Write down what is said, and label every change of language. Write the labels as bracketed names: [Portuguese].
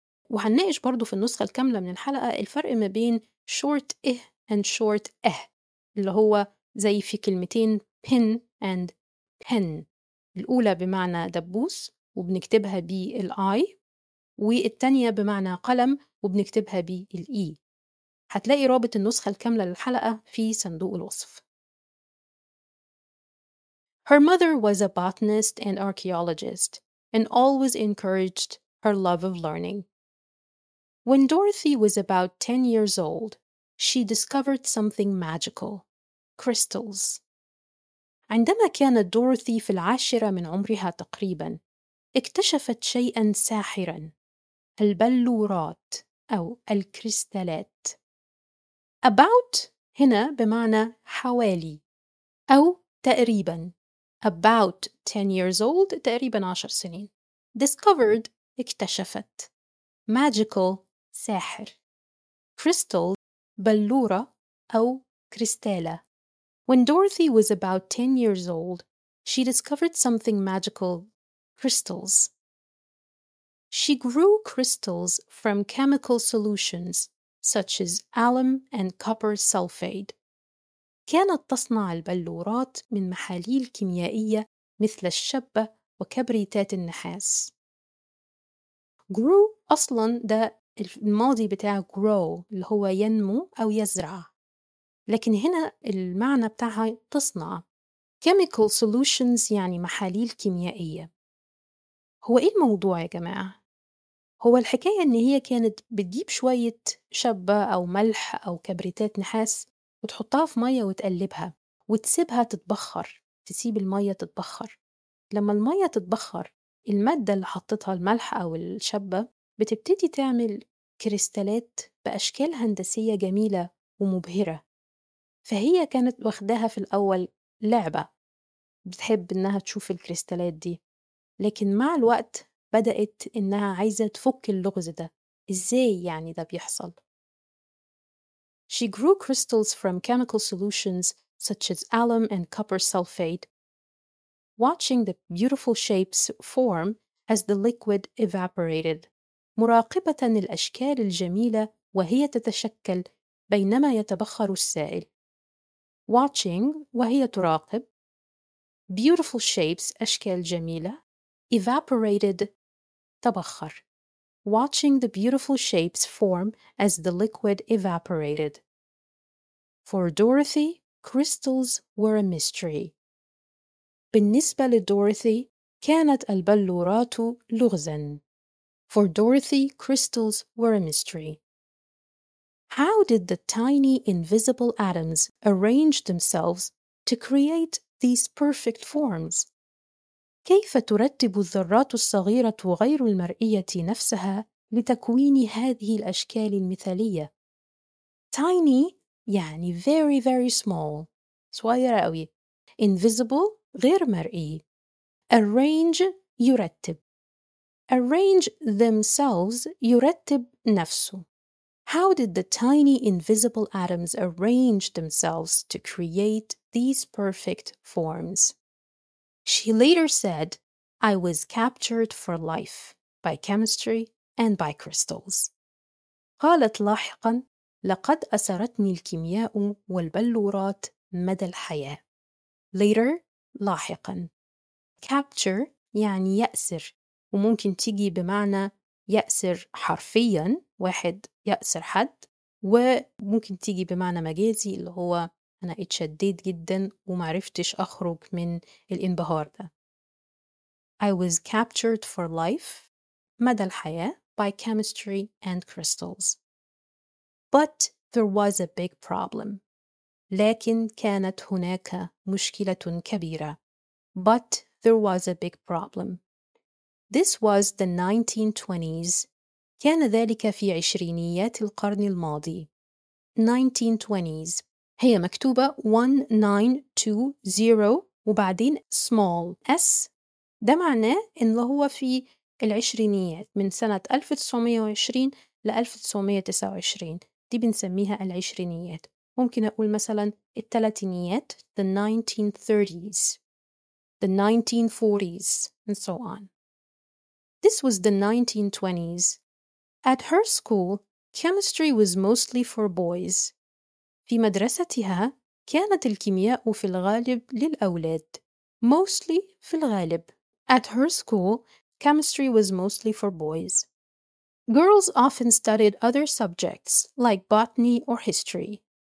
[Arabic] وهنناقش برضو في النسخة الكاملة من الحلقة الفرق ما بين short إه and short إه، اللي هو زي في كلمتين pin and pen، الأولى بمعنى دبوس وبنكتبها بي الآي، والتانية بمعنى قلم وبنكتبها بي الإي. هتلاقي رابط النسخة الكاملة للحلقة في صندوق الوصف. [English] Her mother was a botanist and archaeologist and always encouraged her love of learning. When Dorothy was about 10 years old, she discovered something magical, crystals. [Arabic] عندما كانت دوروثي في العاشرة من عمرها تقريباً، اكتشفت شيئاً ساحراً، البلورات أو الكريستالات. About هنا بمعنى حوالي أو تقريباً. [English] About 10 years old [Arabic] تقريباً 10 سنين. Discovered اكتشفت. Magical ساحر. Crystal بلورة أو كريستالة. [English] When Dorothy was about 10 years old, she discovered something magical, crystals. She grew crystals from chemical solutions such as alum and copper sulfate. [Arabic] كانت تصنع البلورات من محاليل كيميائية مثل الشبة وكبريتات النحاس. Grew أصلاً ده الماضي بتاع grow اللي هو ينمو أو يزرع، لكن هنا المعنى بتاعها تصنع. Chemical solutions يعني محاليل كيميائية. هو إيه الموضوع يا جماعة؟ هو الحكاية إن هي كانت بتجيب شوية شبة أو ملح أو كبريتات نحاس وتحطها في مية وتقلبها وتسيبها تتبخر، تسيب المية تتبخر. لما المية تتبخر، المادة اللي حطتها الملح أو الشبة بتبتدي تعمل كريستالات بأشكال هندسية جميلة ومبهرة. فهي كانت واخداها في الأول لعبة، بتحب إنها تشوف الكريستالات دي، لكن مع الوقت بدأت إنها عايزة تفك اللغز ده. إزاي يعني ده بيحصل؟ [English] She grew crystals from chemical solutions such as alum and copper sulfate, watching the beautiful shapes form as the liquid evaporated. [Arabic] مراقبة الأشكال الجميلة وهي تتشكل بينما يتبخر السائل. Watching وهي تراقب. Beautiful shapes أشكال جميلة. Evaporated تبخر. [English] Watching the beautiful shapes form as the liquid evaporated. For Dorothy, crystals were a mystery. [Arabic] بالنسبة لدوروثي كانت البلورات لغزا. [English] For Dorothy, crystals were a mystery. How did the tiny invisible atoms arrange themselves to create these perfect forms? [Arabic] كيف ترتب الذرات الصغيرة غير المرئية نفسها لتكوين هذه الأشكال المثالية؟ Tiny يعني [English] very very small، [Arabic] صغيرة أوي. Invisible غير مرئي. Arrange يرتب. Arrange themselves يرتب نفسه. [English] How did the tiny invisible atoms arrange themselves to create these perfect forms? She later said, I was captured for life by chemistry and by crystals. [Arabic] قالت لاحقا، لقد أسرتني الكيمياء والبلورات مدى الحياة. Later لاحقا. Capture يعني يأسر، وممكن تيجي بمعنى يأسر حرفيا، واحد يأسر حد، وممكن تيجي بمعنى مجازي اللي هو أنا اتشديت جدا ومعرفتش أخرج من الانبهار ده. [English] I was captured for life [Arabic] مدى الحياة [English] by chemistry and crystals. But there was a big problem. [Arabic] لكن كانت هناك مشكلة كبيرة. [English] But there was a big problem. This was the 1920s. [Arabic] كان ذلك في عشرينيات القرن الماضي. [English] 1920s. [Arabic] هي مكتوبة 1920 وبعدين small s. ده معناه إن هو في العشرينيات من سنة 1920 ل 1929. دي بنسميها العشرينيات. ممكن أقول مثلا التلاتينيات [English] the 1930s. The 1940s and so on. This was the 1920s. At her school, chemistry was mostly for boys. [Arabic] في مدرستها كانت الكيمياء في الغالب للأولاد. Mostly في الغالب. [English] At her school, chemistry was mostly for boys. Girls often studied other subjects, like botany or history.